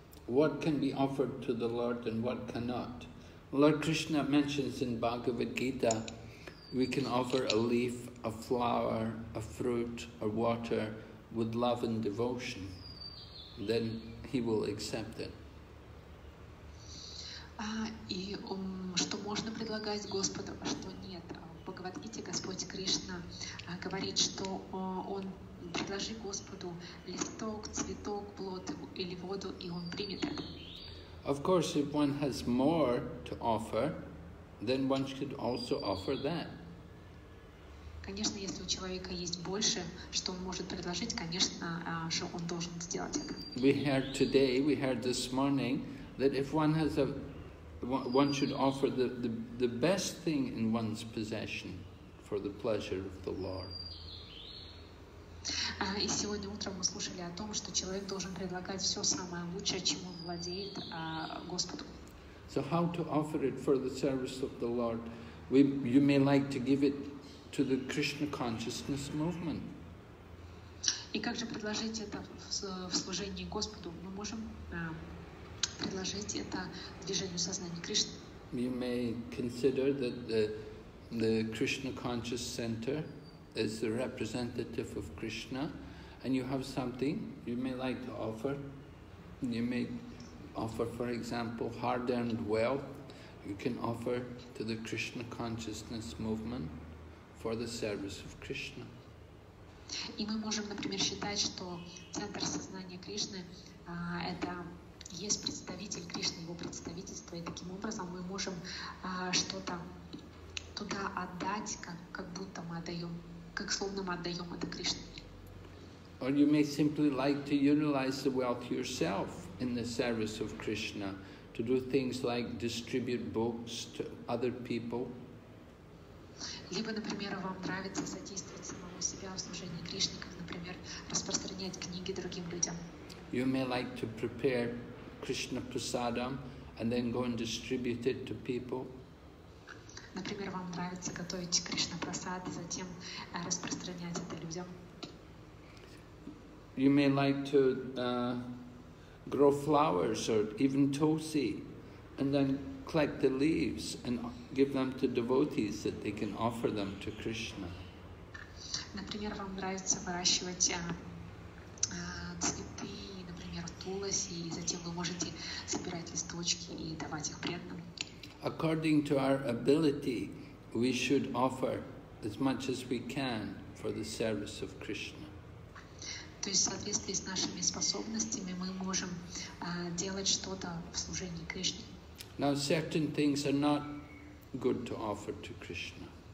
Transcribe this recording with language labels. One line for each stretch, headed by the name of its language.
English: What can be offered to the Lord and what cannot? Lord Krishna mentions in Bhagavad Gita, we can offer a leaf, a flower, a fruit, or water with love and devotion, then he will accept it.
Russian: И что можно предлагать Господу, а что нет. В Бхагавад-гите Господь Кришна говорит, что он предложи Господу листок, цветок, плод или воду, и он примет это.
English: Of course, if one has more to offer, then one should also offer that.
Russian: Конечно, если у человека есть больше, что он может предложить, конечно, что он должен сделать это.
English: We heard today, we heard this morning, that if one has a one should offer the best thing in one's possession for the pleasure of the Lord.
Russian: И сегодня утром мы слушали о том, что человек должен предлагать все самое лучшее, чем он владеет, Господу.
English: So how to offer it for the service of the Lord? We you may like to give it to the Krishna consciousness movement.
Russian: И как же предложить это в служении Господу? Мы можем предложить это движению сознания Кришны.
English: You may consider that the Krishna Conscious Center is the representative of Krishna, and you have something you may like to offer. You may offer, for example, hard-earned wealth. You can offer to the Krishna Consciousness Movement for the service of Krishna.
Russian: И мы можем, например, считать, что центр сознания Кришны это есть представитель Кришны, его представительство, и таким образом мы можем что-то туда отдать, как будто мы отдаем, как словно мы отдаем это Кришне.
English: Or you may simply like to utilize the wealth yourself in the service of Krishna, to do things like distribute books to other people.
Russian: Либо, например, вам нравится содействовать самому себя в служении Кришне, как, например, распространять книги другим людям.
English: You may like to prepare Krishna prasadam and then go and distribute it to people.
Russian: Например, вам нравится готовить Кришна прасад и затем распространять это людям.
English: You may like to grow flowers or even tulsi and then collect the leaves and give them to devotees that they can offer them to Krishna.
Russian: Например, вам нравится выращивать цветы, и затем вы можете собирать листочки и давать их преданным.
English: According to our ability, we should offer as much as we can for the service of Krishna.
Russian: То есть в соответствии с нашими способностями мы можем делать что-то в служении Кришне.
English: Now certain things are not good to offer to Krishna.